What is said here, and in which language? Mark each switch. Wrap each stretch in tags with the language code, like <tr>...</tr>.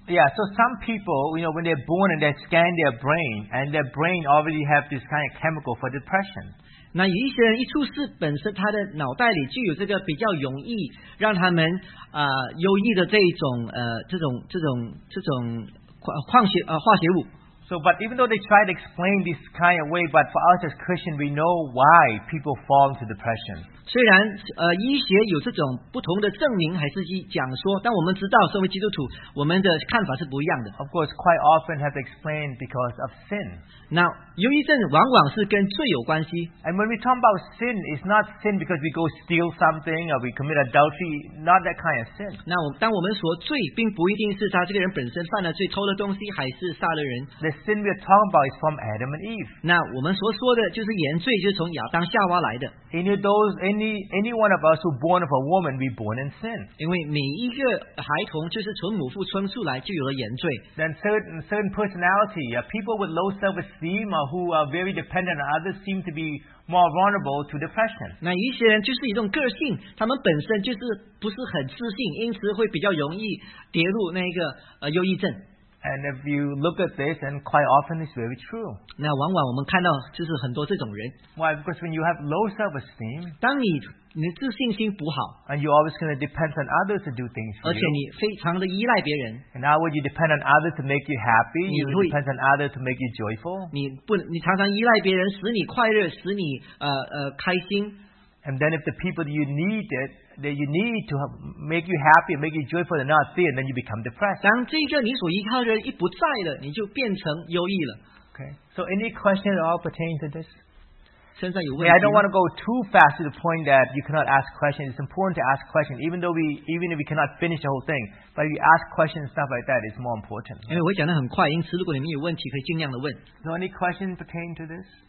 <en>Yeah, so some people, you know, when they're born and they scan their brain, and their brain already have this kind of chemical for depression.</en> <zh>那有一些人一出世本身他的脑袋里就有这个比较容易让他们忧郁的这种化学物。</zh> <en>So, but even though they try to explain this kind of way, but for us as Christians, we know why people fall into depression.</en> <zh>虽然医学有这种不同的证明还是讲说，但我们知道身为基督徒，我们的看法是不一样的。</zh> <en>Of course, quite often have explained because of sin.</en> <zh>那忧郁症往往是跟罪有关系。</zh> <en>And when we talk about sin, it's not sin because we go steal something or we commit adultery, not that kind of sin.</en> <zh>那当我们说罪，并不一定是他这个人本身犯了罪，偷了东西还是杀了人。</zh> <en>The sin we're talking about is from Adam and Eve.</en> <zh>那我们所说的就是原罪，就是从亚当夏娃来的。</zh> <en>Any one of us who born of a woman, we born in sin.</en> <zh>因为每一个孩童就是从母腹生出来就有了原罪。</zh> <en>Then certain personality, people with low self-esteem or who are very dependent on others seem to be more vulnerable to depression.</en> <zh>那一些人就是一种个性，他们本身就是不是很自信，因此会比较容易跌入那个忧郁症。</zh> <en>And if you look at this, and quite often it's very true.</en> <zh>那往往我们看到就是很多这种人。</zh> <en>Why? Because when you have low self-esteem,</en> <zh>当你自信心不好</zh> <en>，and you're always going to depend on others to do things for you.</en> <zh>而且你非常的依赖别人。</zh> <en>And now, would you depend on others to make you happy? You depend on others to make you joyful.</en> <zh>你常常依赖别人，使你快乐，使你开心。</zh> <en>And then, if the people that you need it. That you need to make you happy, make you joyful, and not there, and then you become depressed.</en> <zh>当这个你所依靠的人一不在了，你就变成忧郁了。</zh> <en>Okay. So, any questions at all pertaining to this? I mean, I don't want to go too fast to the point that you cannot ask questions. It's important to ask questions, even if we cannot finish the whole thing. But if you ask questions and stuff like that, it's more important. So any questions pertain to this?</en>